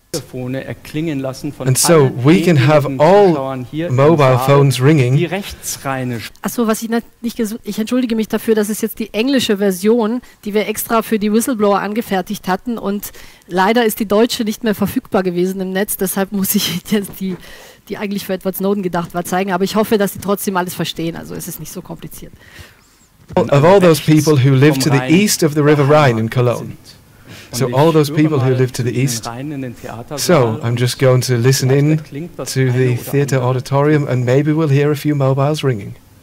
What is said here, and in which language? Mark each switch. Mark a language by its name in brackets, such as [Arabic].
[English] And so we can have all mobile phones ringing. [German] Achso, was ich nicht ich entschuldige mich dafür, das ist jetzt die englische Version, die wir extra für die Whistleblower angefertigt hatten und leider ist die deutsche nicht mehr verfügbar gewesen im Netz, deshalb muss ich jetzt die eigentlich für Edward Snowden gedacht war, zeigen, aber ich hoffe, dass sie trotzdem alles verstehen, also es ist nicht so kompliziert. [English] Of all those people who live to the east of the River Rhine in Cologne. So all those people who live to the east. So I'm just going to listen in to the theater auditorium and maybe we'll hear a few mobiles ringing.